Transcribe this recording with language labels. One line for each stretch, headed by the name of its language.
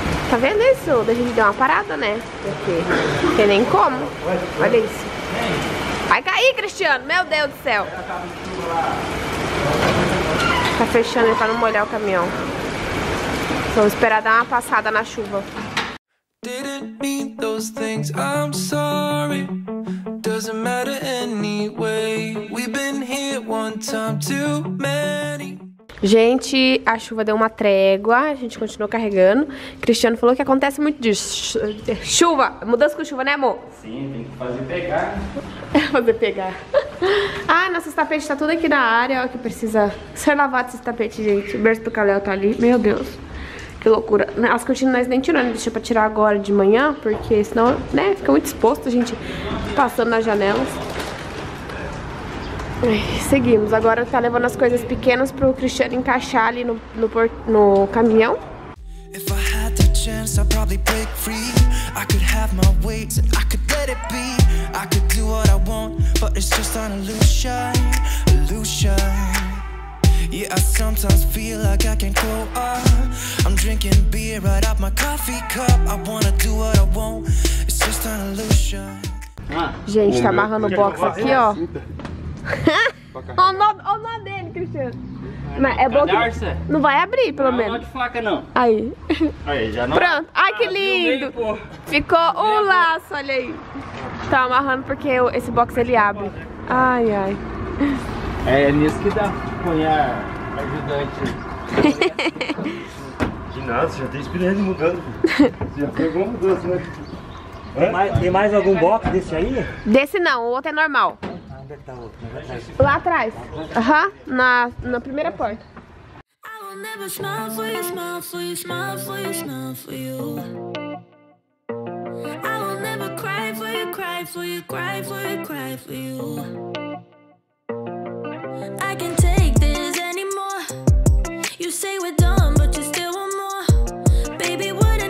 Portuguese: Tá vendo isso? Da gente dar uma parada, né? Porque nem como. Olha isso. Vai cair, Cristiano. Meu Deus do céu. Tá fechando aí pra não molhar o caminhão. Vamos esperar dar uma passada na chuva.
English: Didn't mean those things, I'm sorry. Doesn't matter anyway. We've been here one time too many.
Portuguese: Gente, a chuva deu uma trégua, a gente continuou carregando. Cristiano falou que acontece muito disso. Chuva, mudança com chuva, né, amor? Sim, tem que fazer pegar. É, fazer pegar. Ah, nosso tapete tá tudo aqui na área, ó, que precisa ser lavado esse tapete, gente. O berço do Kaléo tá ali, meu Deus. Que loucura. As cortinas nem tirando, deixa pra tirar agora de manhã, porque senão, né, fica muito exposto a gente passando nas janelas. Seguimos. Agora tá levando as coisas pequenas pro Cristiano encaixar ali no caminhão.
English: If I had the chance, I'd probably break free. I could have my weights and I could let it be. I could do what I want, but it's just an illusion, illusion. Yeah, I sometimes feel like I can't grow up. I'm drinking beer right out my coffee cup. I wanna do what I want. It's just an illusion.
Portuguese: Gente, tá amarrando o box aqui, ó. Olha o nó dele, Cristiano. Mas é bom que não vai abrir, pelo menos. Não é nó de faca, não. Aí. Aí, já não. Pronto. Ai, que lindo. Ficou um laço, olha aí. Tá amarrando porque esse box ele abre. Ai, ai. É nisso que dá cunhar ajudante. De nada, já tem espirante mudando. Já foi alguma mudança, né? Tem mais algum box desse aí? Desse não, o outro é normal. Onde é que tá o outro? Lá atrás. Aham, na primeira porta.
English: I will never smile for you, smile for you, smile for you, smile for you. I will never cry for you, cry for you, cry for you, cry for you. I can take this anymore. You say we're done, but you still want more. Baby, what?